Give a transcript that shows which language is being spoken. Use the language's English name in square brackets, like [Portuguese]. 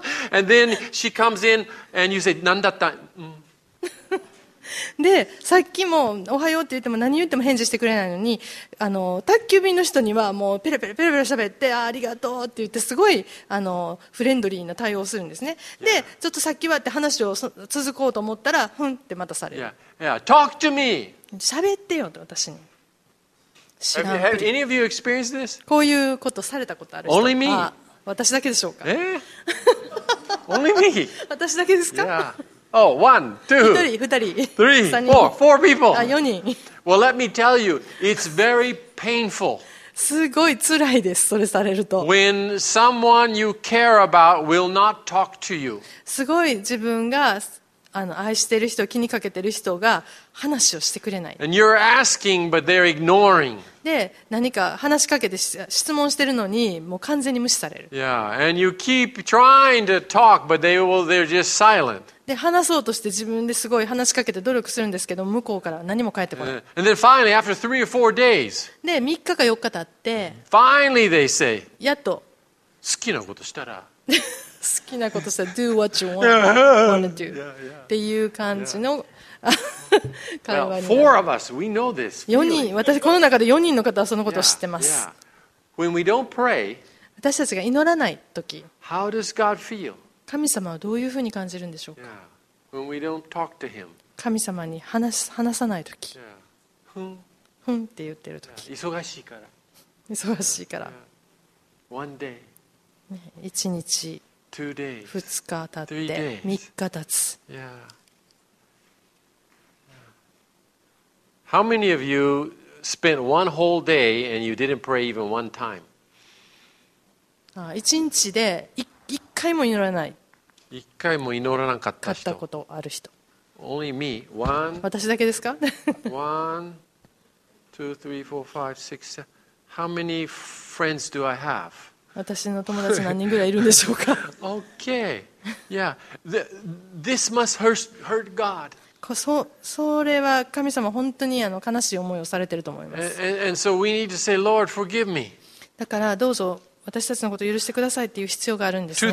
[English] And then she comes in and you say, [Japanese] 何だった? で、さっきもおはようって言っても何言っても返事してくれないのに、宅急便の人にはもうペラペラペラペラ喋って、あ、ありがとうって言ってすごい、フレンドリーな対応をするんですね。で、yeah. ちょっとさっきはって話を続こうと思ったら、ふんって待たされる。 [English] Yeah. Yeah. Talk to me. [Japanese] 喋ってよって私に。知らん。 [English] Have any of you experienced this? [Japanese] こういうことされたことある [English] 人。Only me? [Japanese] 私だけでしょうか。 [English] Only me? [Japanese] 私だけですか。 [English] Yeah. Oh, one, two, 1, 2, 3, 4, 4 people. [Japanese] あ、4人。 [English] Well, let me tell you, it's very painful. [Japanese] すごい辛いです、それされると。 [English] When someone you care about will not talk to you. [Japanese] すごい自分が愛してる人、気にかけてる人が話をしてくれない。 [English] And you're asking, but they're ignoring. [Japanese] で、何か話しかけて質問してるのに、もう完全に無視される。 [English] Yeah, and you keep trying to talk, but they're just silent. [Japanese] で話そうとして自分ですごい話しかけて努力するんですけど向こうから何も返ってこない。 [English] And then finally, after three or four days, [Japanese] で3日か4日経って [English] finally they say, [Japanese] やっと好きなことしたら好きなことしたら [English] do what you want to do [Japanese] っていう感じの、 [English] yeah. 4 of us, we know this. [Japanese] 4人、私この中で4人の方はそのことを知ってます。 [English] When we don't pray, [Japanese] 私たちが祈らないとき、 [English] how does God feel? [Japanese] 神様はどういうふうに感じるんでしょうか。 [English] When we don't talk to him, [Japanese] 神様に話さないとき、ふんって言ってるとき、忙しいから。忙しいから。 [English] One day, [Japanese] 一日、 [English] two days, [Japanese] 二日経って、三日経つ。 [English] How many of you spent one whole day and you didn't pray even one time? [Japanese] 一日で一回も祈らない。一回も祈らなかった人。ったことある人。 [English] Only me. One. [Japanese] 私だけですか？ [English] One, two, three, four, five, six, seven. How many friends do I have? [Japanese] 私の友達何人ぐらいいるんでしょうか？ [English] Okay. Yeah. This must hurt God. [Japanese] それは神様本当に悲しい思いをされていると思います。 [English] And so、say, Lord, forgive me. [Japanese] だからどうぞ私たちのことを許してくださいっていう必要があるんですね。